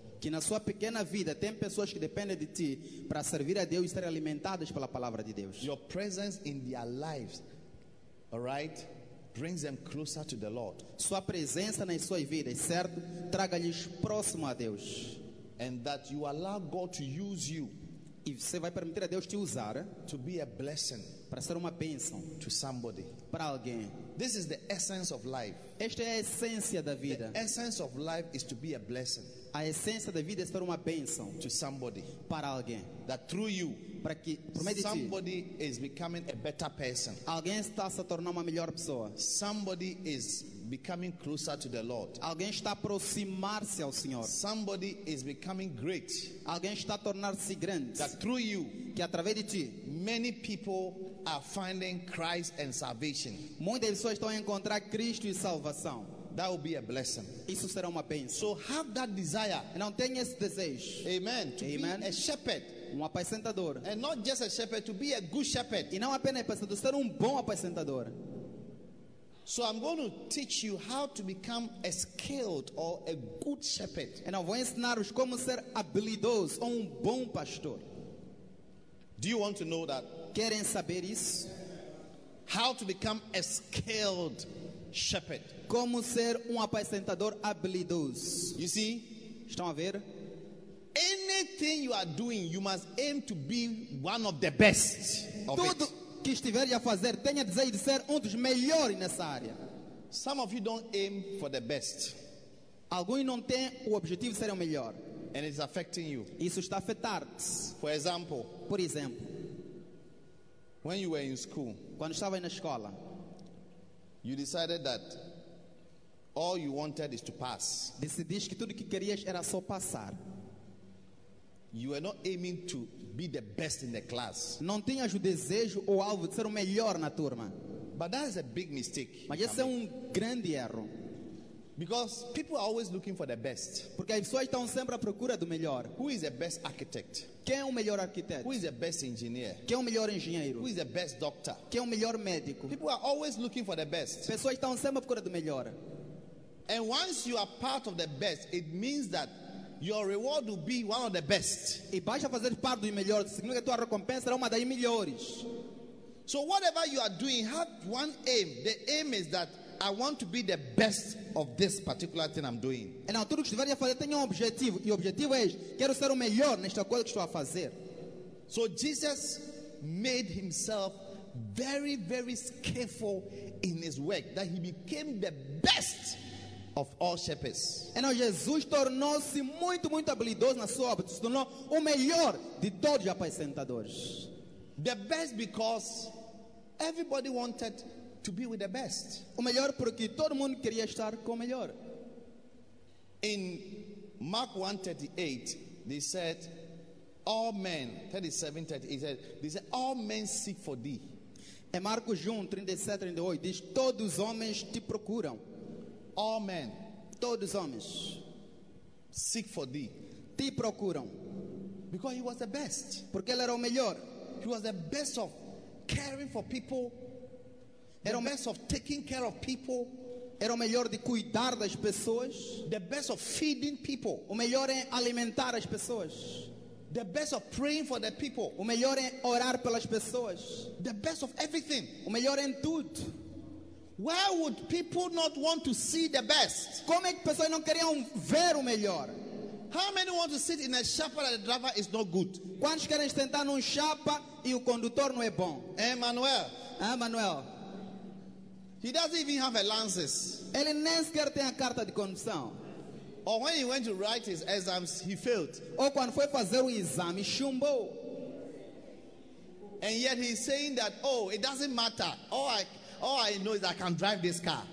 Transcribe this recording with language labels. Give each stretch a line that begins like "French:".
Portuguese: Que na sua pequena vida tem pessoas que dependem de ti para servir a Deus e ser alimentadas pela palavra de Deus.
English: Your presence in their lives, all right, brings them closer to the Lord.
Portuguese: Sua presença nas suas vidas, certo, traga-lhes próximo a Deus.
English: And that you allow God to use you.
Portuguese: E você vai permitir a Deus te usar
English: to be a blessing,
Portuguese: para ser uma bênção
English: to somebody,
Portuguese: para alguém.
English: This is the essence of life.
Portuguese: Esta é a essência da vida.
English: The essence of life is to be a blessing.
Portuguese: A essência da vida é ser uma bênção
English: to somebody,
Portuguese: para alguém.
English: That through you,
Portuguese: para que por meio de
English: somebody
Portuguese: ti,
English: is becoming a better person.
Portuguese: Alguém está se tornando uma melhor pessoa.
English: Somebody is becoming closer to the Lord.
Portuguese: Alguém está aproximar-se ao Senhor.
English: Somebody is becoming great.
Portuguese: Alguém está tornar-se grande.
English: That through you,
Portuguese: que através de ti,
English: many people are finding Christ and salvation.
Portuguese: Muitas pessoas estão a encontrar Cristo e salvação.
English: That will be a blessing.
Portuguese: Isso será uma bênção.
English: So have that desire.
Portuguese: Não tenha esse desejo.
English: Amen. To
Portuguese: Amen.
English: Be a shepherd.
Portuguese: Um apacentador.
English: And not just a shepherd, to be a good shepherd.
Portuguese: E não apenas apacentador, ser um bom apacentador.
English: So I'm going to teach you how to become a skilled or a good shepherd.
Portuguese: E não, vou ensinar-vos como ser habilidoso ou um bom pastor.
English: Do you want to know that?
Portuguese: Querem saber isso?
English: How to become a skilled shepherd.
Portuguese: Como ser um apacentador habilidoso.
English: You see?
Portuguese: Estão a ver?
English: Anything you are doing, you must aim to be one of the best of
Portuguese: tudo
English: it.
Portuguese: Que estiver a fazer, tenha desejo de ser dos melhores nessa área.
English: Some of you don't aim for the best.
Portuguese: Alguns não têm o objetivo de ser o melhor.
English: And it's affecting you.
Portuguese: Isso está a afetar-te.
English: For example,
Portuguese: por exemplo,
English: when you were in school,
Portuguese: quando estava na escola,
English: you decided that all you wanted is to pass.
Portuguese: Decidiste que tudo que querias era só passar.
English: You were not aiming to be the best in the class.
Portuguese: Não tinhas o desejo ou alvo de ser o melhor na turma.
English: But that is a big mistake.
Portuguese: Mas esse é um grande erro.
English: Because people are always looking for the best.
Portuguese: Porque as pessoas estão sempre à procura do melhor.
English: Who is the best architect?
Portuguese: Quem é o melhor arquiteto?
English: Who is the best engineer?
Portuguese: Quem é o melhor engenheiro?
English: Who is the best doctor?
Portuguese: Quem é o melhor médico?
English: People are always looking for the best.
Portuguese: Pessoas estão sempre à procura do melhor.
English: And once you are part of the best, it means that your reward will be one of the best.
Portuguese: E basta fazer parte do melhor, significa que tua recompensa será uma das melhores.
English: So whatever you are doing, have one aim. The aim is that I want to be the best of this particular thing I'm doing.
Portuguese: E não, tudo que estiver a fazer tem um objetivo. E o objetivo é, quero ser o melhor nesta coisa que estou a fazer.
English: So Jesus made himself very, very skillful in his work. That he became the best of all shepherds.
Portuguese: E não, Jesus tornou-se muito, muito habilidoso na sua obra. Se tornou o melhor de todos os apacentadores.
English: The best because Everybody wanted to be with the best.
Portuguese: O melhor, porque todo mundo queria estar com o melhor.
English: In Mark 1:38, they said, all men, 37:38, they said, all men seek for thee.
Portuguese: Em Marcos 1:37-38, diz, todos os homens te procuram.
English: All men.
Portuguese: Todos os homens.
English: Seek for thee.
Portuguese: Te procuram.
English: Because he was the best.
Portuguese: Porque ele era o melhor.
English: He was the best of caring for people.
Portuguese: Era o
English: best of taking care of people.
Portuguese: Era o melhor de cuidar das pessoas.
English: The best of feeding people.
Portuguese: O melhor em alimentar as pessoas.
English: The best of praying for the people.
Portuguese: O melhor em orar pelas pessoas.
English: The best of everything.
Portuguese: O melhor em tudo.
English: Why would people not want to see the best?
Portuguese: Como é que pessoas não queriam ver o melhor?
English: How many want to sit in a chapa that the driver is not good?
Portuguese: Quantos querem sentar num chapa e o condutor não é bom?
English: Emmanuel.
Portuguese: Emmanuel.
English: He doesn't even have a license.
Portuguese: Ele nem sequer tem a carta de condução.
English: Or when he went to write his exams, he failed.
Portuguese: Ou quando foi fazer o exame, chumbou.
English: And yet he's saying that, oh, it doesn't matter. All I know is I can drive this car.